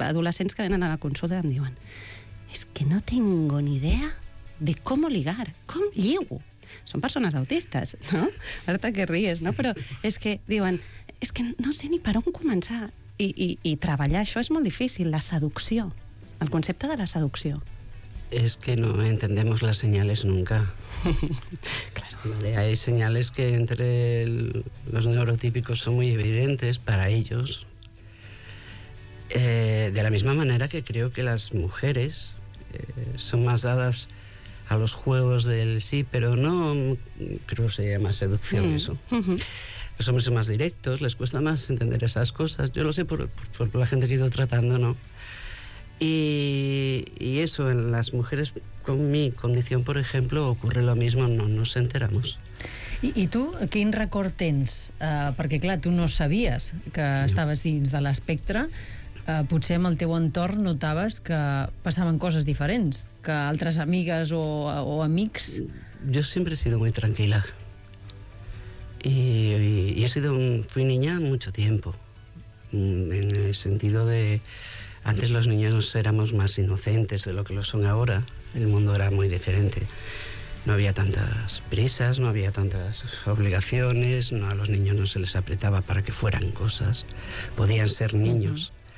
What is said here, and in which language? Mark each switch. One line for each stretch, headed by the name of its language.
Catalan: Adolescents que venen a la consulta em diuen és que
Spanish: no tengo ni idea
Catalan: de com ligar, com lligo. Són persones autistes, no? Marta, que ries, no? Però és que diuen, és que no sé ni per on començar. I treballar això és molt difícil, la seducció. El concepte de la seducció.
Spanish: Es que no entendemos las señales nunca. Claro. Vale, hay señales que entre los neurotípicos son muy evidentes para ellos. De la misma manera que creo que las mujeres son más dadas a los juegos del sí, pero no creo que se llama seducción eso. Los hombres son más directos, les cuesta más entender esas cosas. Yo lo sé por la gente que he ido tratando, ¿no? Y eso, en las mujeres con mi condición, por ejemplo, ocurre lo mismo, no nos enteramos.
Catalan: I tu, quin record tens? Perquè, clar, tu no sabies que estaves dins de l'espectre. Potser amb el teu entorn notaves que passaven coses diferents, que altres amigues o amics...
Spanish: Yo siempre he sido muy tranquila. Y fui niña mucho tiempo, en el sentido de... Antes los niños éramos más inocentes de lo que lo son ahora. El mundo era muy diferente. No había tantas prisas, no había tantas obligaciones, no, a los niños no se les apretaba para que fueran cosas. Podían ser niños.